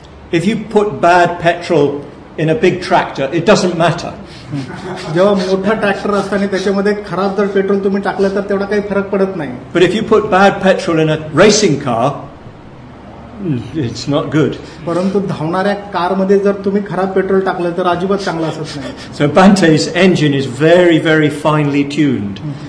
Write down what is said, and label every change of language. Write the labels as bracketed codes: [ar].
[en] If you put bad petrol in a big tractor, it doesn't matter. [mr] जेव्हा मोठा tractor असतं आणि त्याच्यामध्ये खराब जर पेट्रोल तुम्ही टाकलं तर तेवढा काही फरक पडत नाही. [en] But if you put bad petrol in a racing car, it's not good. [mr] परंतु धावणाऱ्या कार मध्ये जर तुम्ही खराब पेट्रोल टाकलं तर अजिबात चांगलं असत नाही. [en] So Bhante's engine is very, very finely tuned.